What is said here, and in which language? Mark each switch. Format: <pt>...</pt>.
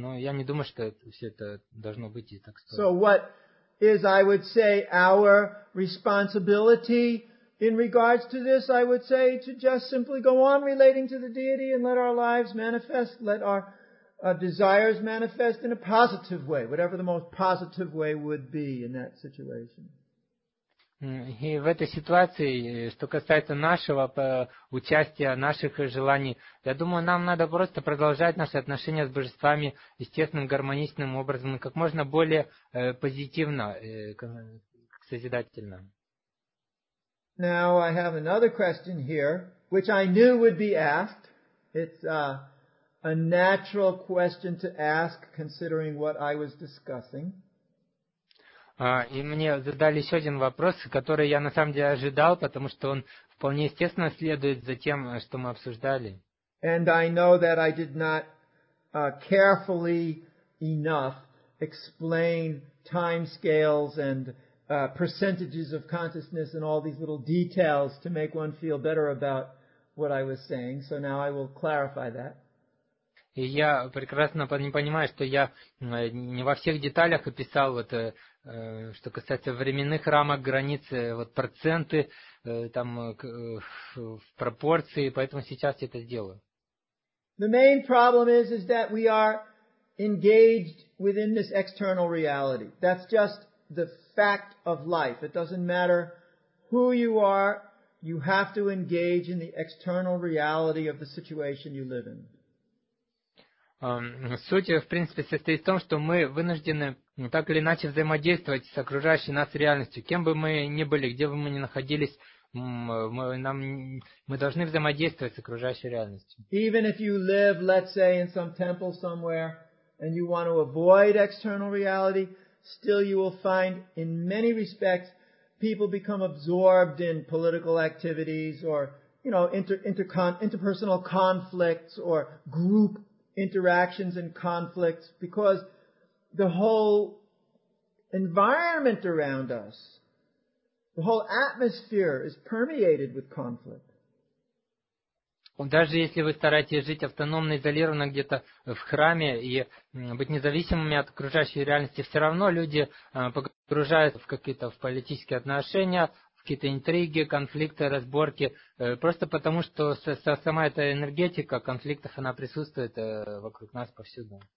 <ru>Но я не думаю, что все это должно быть и так стоит.</ru> <en>So what is, I would say, our responsibility in regards to this? I would say to just simply go on relating to the deity and let our lives manifest, let our desires manifest in a positive way, whatever the most positive way would be in that situation.</en> <ru>И в этой ситуации, что касается нашего участия, наших желаний, я думаю, нам надо просто продолжать наши отношения с божествами естественным, гармоничным образом, как можно более позитивно, созидательно.</ru> <en>Now I have another question here, which I knew would be asked. It's a natural question to ask, considering what I was discussing.</en> <ru>И мне задали еще один вопрос, который я на самом деле ожидал, потому что он вполне естественно следует за тем, что мы обсуждали.</ru> <en>And I know that I did not carefully enough explain time scales and percentages of consciousness and all these little details to make one feel better about what I was saying. So now I will clarify that.</en> <ru>И я прекрасно понимаю, что я не во всех деталях описал, вот, что касается временных рамок, границ, вот, проценты, там, в пропорции, поэтому сейчас я это сделаю.</ru> <en>The main problem is that we are engaged within this external reality. That's just the fact of life. It doesn't matter who you are, you have to engage in the external reality of the situation you live in.</en> <ru>Суть, в принципе, состоит в том, что мы вынуждены так или иначе взаимодействовать с окружающей нас реальностью. Кем бы мы ни были, где бы мы ни находились, мы должны взаимодействовать с окружающей реальностью.</ru> <en>Even if you live, let's say, in some temple somewhere, and you want to avoid external reality, still you will find, in many respects, people become absorbed in political activities or, you know, interpersonal conflicts or group interactions and conflicts, because the whole environment around us, the whole atmosphere is permeated with conflict.</en> <ru>Даже если вы стараетесь жить автономно, изолированно где-то в храме и быть независимыми от окружающей реальности, все равно люди погружаются в какие-то политические отношения, в какие-то интриги, конфликты, разборки, просто потому, что сама эта энергетика конфликтов, она присутствует вокруг нас повсюду.</ru>